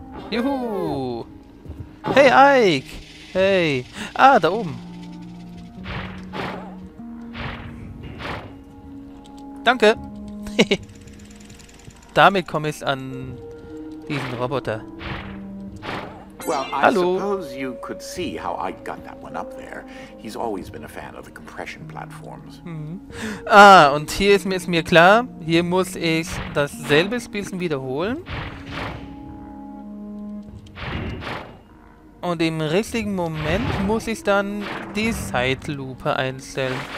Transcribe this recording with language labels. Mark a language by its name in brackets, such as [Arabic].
[German] Juhu. Hey, Ike. Hey. Ah, da oben. Danke. Damit komme ich an diesen Roboter. [English] Well, I [German] Hallo. [English] suppose you could see how I got that one up there. He's always been a fan of the compression platforms. [German] Ah, und hier ist mir klar, hier muss ich dasselbe Spielchen wiederholen. Und im richtigen Moment muss ich dann die Zeitlupe einstellen.